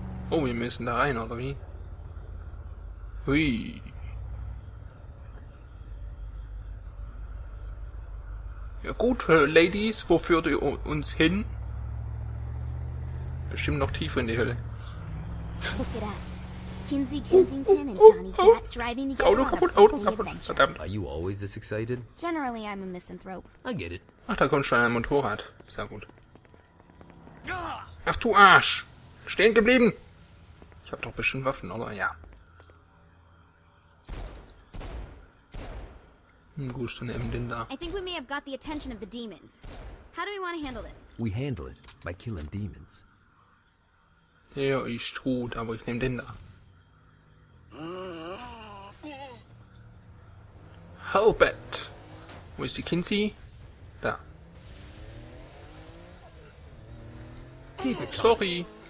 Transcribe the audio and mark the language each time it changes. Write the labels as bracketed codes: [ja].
[de] Oh, wir müssen da rein, oder wie? Hui. Ja gut, Ladies, wo führt ihr uns hin? Bestimmt noch tiefer in die Hölle. [en] Look at us. Kinsey, Kensington, and Johnny Depp driving together. [de] Auto kaputt, Auto kaputt, verdammt. [en] Are you always this excited? Generally, I'm a misanthrope. I get it. [de] Ach, da kommt schon ein Motorrad. Sehr gut. Ach du Arsch! Stehen geblieben! Ich hab doch bestimmt Waffen, oder? Ja. Gut, dann nehmen wir den da. [en] I think we may have got the attention of the demons. How do we want to handle this? We handle it by killing demons. [de] Ja, ist gut, aber ich nehme den da. Hellbat! Wo ist die Kinsey? Da. [en] Sorry!